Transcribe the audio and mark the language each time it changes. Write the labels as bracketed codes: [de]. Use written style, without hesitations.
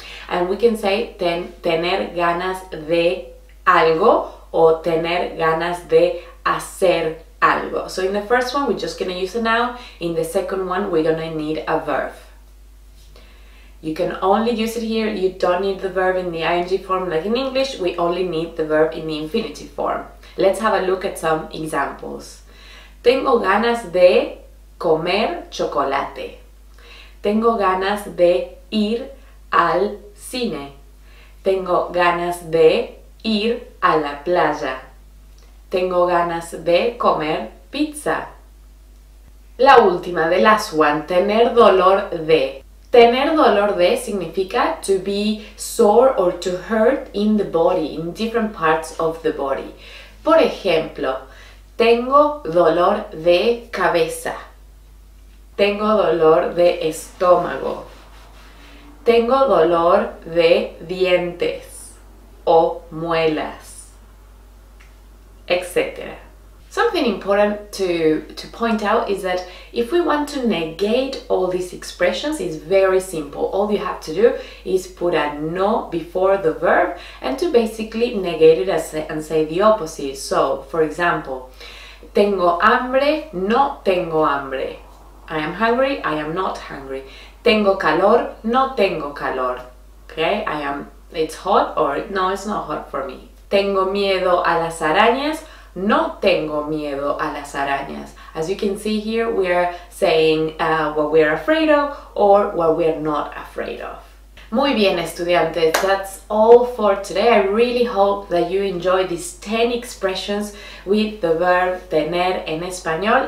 [en] And we can say [es] tener ganas de algo o tener ganas de hacer algo. [en] So in the first one we're just gonna use a noun, in the second one we're gonna need a verb. You can only use it here, you don't need the verb in the ing form like in English, we only need the verb in the infinitive form. Let's have a look at some examples. [es] Tengo ganas de comer chocolate. Tengo ganas de ir al cine. Tengo ganas de ir a la playa. Tengo ganas de comer pizza. La última, [en] the last one, [es] tener dolor de. Tener dolor de significa [en] to be sore or to hurt in the body, in different parts of the body. [es] Por ejemplo, tengo dolor de cabeza. Tengo dolor de estómago. Tengo dolor de dientes o muelas, etc. [en] Something important to point out is that if we want to negate all these expressions, it's very simple. All you have to do is put a no before the verb and to basically negate it and say the opposite. So, for example, [es] tengo hambre, no tengo hambre. [en] I am hungry, I am not hungry. [es] Tengo calor, no tengo calor. [en] Okay, it's hot or no, it's not hot for me. [es] Tengo miedo a las arañas. No tengo miedo a las arañas. [en] As you can see here, we are saying what we are afraid of or what we are not afraid of. [es] Muy bien, estudiantes, [en] that's all for today. I really hope that you enjoyed these 10 expressions with the verb tener [es] en español.